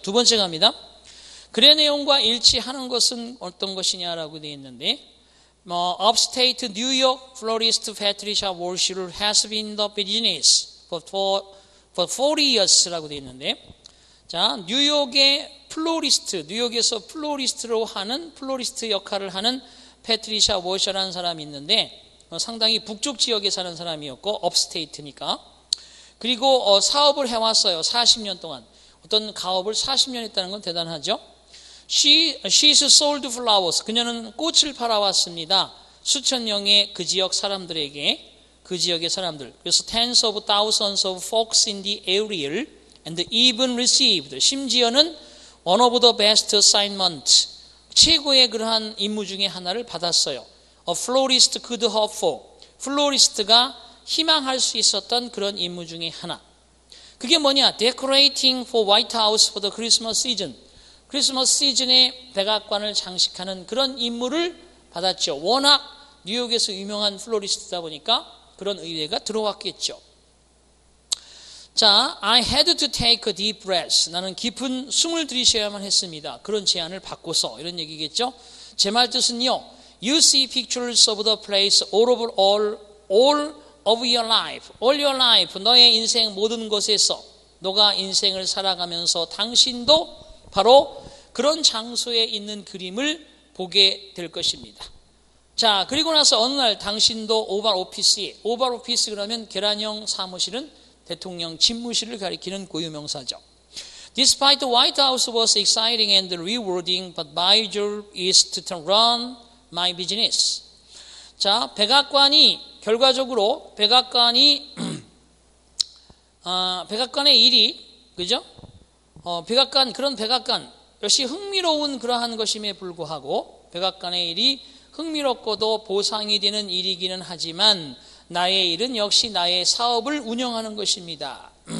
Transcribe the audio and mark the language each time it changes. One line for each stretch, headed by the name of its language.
Korean: 두 번째 갑니다. 글의 내용과 일치하는 것은 어떤 것이냐라고 되어 있는데, 뭐,
English: Upstate New York florist Patricia Walsh has been the business for 40 years
Korean: 라고 되어 있는데, 자, 뉴욕의 플로리스트, 뉴욕에서 플로리스트로 하는, 플로리스트 역할을 하는 Patricia Walsh라는 사람이 있는데, 상당히 북쪽 지역에 사는 사람이었고, Upstate니까. 그리고 사업을 해왔어요. 40년 동안. 어떤 가업을 40년 했다는 건 대단하죠.
English: She sold flowers.
Korean: 그녀는 꽃을 팔아왔습니다. 수천 명의 그 지역 사람들에게, 그 지역의 사람들. 그래서
English: tens of thousands of folks in the area and even received.
Korean: 심지어는
English: one of the best assignments.
Korean: 최고의 그러한 임무 중에 하나를 받았어요.
English: A florist could hope for.
Korean: 플로리스트가 희망할 수 있었던 그런 임무 중에 하나. 그게 뭐냐?
English: Decorating for White House for the Christmas season.
Korean: 크리스마스 시즌에 백악관을 장식하는 그런 임무를 받았죠. 워낙 뉴욕에서 유명한 플로리스트다 보니까 그런 의뢰가 들어왔겠죠.
English: 자, I had to take a deep breath.
Korean: 나는 깊은 숨을 들이쉬어야만 했습니다. 그런 제안을 받고서, 이런 얘기겠죠. 제 말 뜻은요,
English: You see pictures of the place all of your life.
Korean: 너의 인생 모든 곳에서 너가 인생을 살아가면서 당신도 바로 그런 장소에 있는 그림을 보게 될 것입니다. 자, 그리고 나서 어느 날 당신도 오벌 오피스에, 오벌 오피스 그러면 계란형 사무실은 대통령 집무실을 가리키는 고유명사죠.
English: Despite the White House was exciting and rewarding, but my job is to run my business.
Korean: 자, 백악관이 결과적으로 백악관이 백악관의 일이 그죠? 백악관, 그런 백악관, 역시 흥미로운 그러한 것임에 불구하고 백악관의 일이 흥미롭고도 보상이 되는 일이기는 하지만 나의 일은 역시 나의 사업을 운영하는 것입니다.